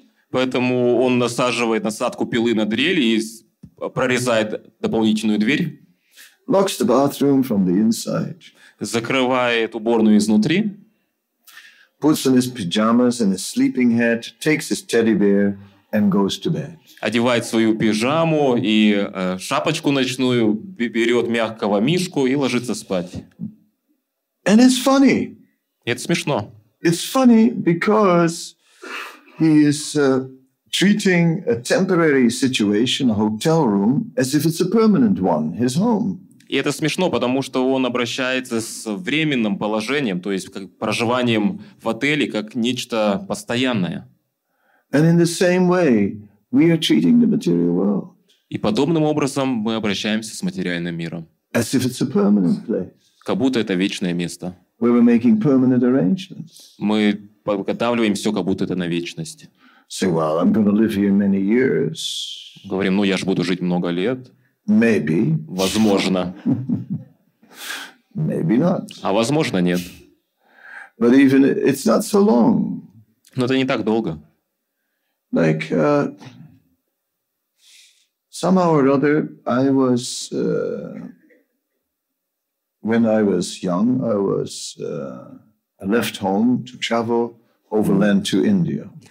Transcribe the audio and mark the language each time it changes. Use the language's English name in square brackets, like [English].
[Russian] Поэтому он насаживает насадку пилы на дрель и прорезает дополнительную дверь. [English] Locks the bathroom from the inside. [Russian] Закрывает уборную изнутри. [English] Puts on his pajamas and his sleeping hat, takes his teddy bear and goes to bed. [Russian] Одевает свою пижаму и шапочку ночную, берет мягкого мишку и ложится спать. [English] And it's funny. [Russian] Это смешно. [English] It's funny because he is treating a temporary situation, a hotel room, as if it's a permanent one, his home. [Russian] И это смешно, потому что он обращается с временным положением, то есть как проживанием в отеле, как нечто постоянное. [English] And in the same way, we are treating the material world. [Russian] И подобным образом мы обращаемся с материальным миром. [English] As if it's a permanent place. [Russian] Как будто это вечное место. [English] Where we're making permanent arrangements. [Russian] Мы подготавливаем все, как будто это на вечность. [English] So, well, I'm going to live here many years. [Russian] Говорим, ну я же буду жить много лет. [English] Maybe. [Russian] Возможно. [English] Maybe not. [Russian] А возможно, нет. [English] But even it's not so long. [Russian] Но это не так долго. [English] Like somehow or other, I was when I was young, I left home to travel overland to India.